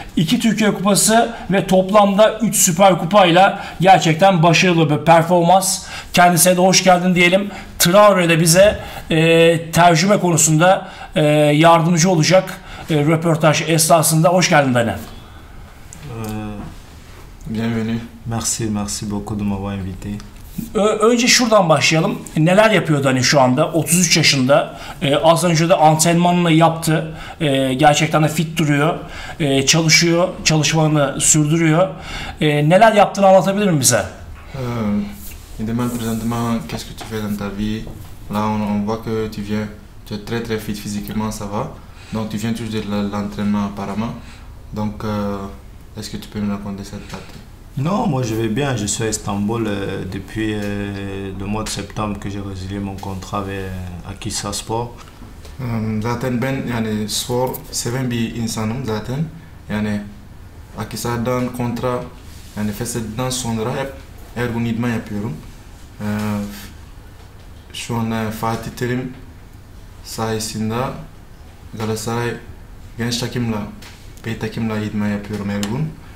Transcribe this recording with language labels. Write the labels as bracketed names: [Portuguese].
[Turkish] 2 Türkiye Kupası ve toplamda 3 Süper Kupa'yla gerçekten başarılı bir performans. Kendisine de hoş geldin diyelim. Traore de bize tercüme konusunda yardımcı olacak röportaj esnasında. Hoş geldin Dani. [French] Bienvenue. Merci, merci beaucoup de m'avoir invité. [Turkish] Önce şuradan başlayalım. Neler yapıyordu hani şu anda? 33 yaşında. Az önce de antrenmanını yaptı. Gerçekten de fit duruyor. Çalışıyor. Çalışmanı sürdürüyor. Neler yaptığını anlatabilir mi bize? [French] Demain présentement, qu'est-ce que tu fais dans ta vie? Là, on voit que tu viens. Tu es très très fit physiquement, ça va. Donc, tu viens toujours de l'entraînement apparemment. Donc, est-ce que tu peux nous raconter cette partie? Non, moi je vais bien. Je suis à Istanbul depuis le mois de septembre que j'ai résilié mon contrat avec Akhisar Spor. [Turkish] Zaten ben yani spor seven bir insanım zaten. Yani Akhisar'dan kontra yani feshedden sonra hep ergun idman yapıyorum. Şu an Fatih Terim sayesinde Galatasaray genç takımla bir takımla idman yapıyorum ergun.